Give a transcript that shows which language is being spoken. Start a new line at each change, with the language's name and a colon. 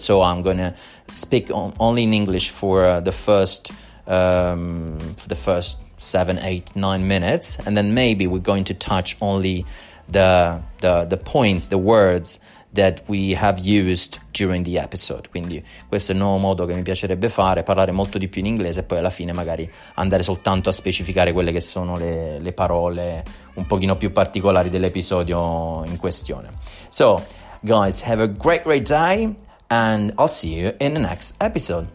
English: So I'm going to speak only in English for the first 7, 8, 9 minutes, and then maybe we're going to touch only the points, the words that we have used during the episode.
Italian: Quindi questo è il nuovo modo che mi piacerebbe fare, parlare molto di più in inglese e poi alla fine magari andare soltanto a specificare quelle che sono le parole un pochino più particolari dell'episodio in questione.
English: So guys, have a great day, and I'll see you in the next episode.